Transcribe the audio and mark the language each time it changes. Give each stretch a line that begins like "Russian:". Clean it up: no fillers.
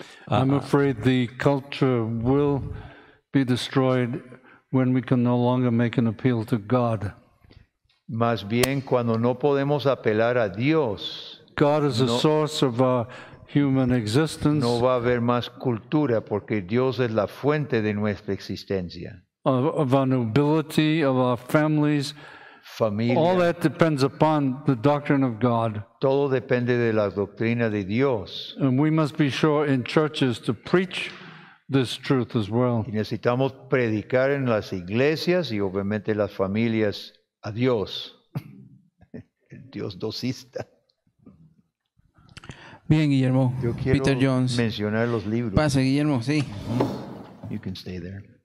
English: I'm afraid the culture will be destroyed when we can no longer make an appeal to God.
Spanish: Más bien cuando no podemos apelar a Dios.
English: God is the source of our human existence.
Spanish: No va a haber más cultura porque Dios es la fuente de nuestra existencia.
English: Of our nobility, of our families,
Spanish: familia.
English: All that depends upon the doctrine of God.
Spanish: Todo depende de la doctrina de Dios.
English: And we must be sure in churches to preach this truth as well.
Spanish: Y necesitamos predicar en las iglesias y obviamente las familias. Adiós, el Dios docista. Bien, Guillermo. Yo quiero Peter Jones. Mencionar los libros. Pase, Guillermo, sí.
English: You can stay there.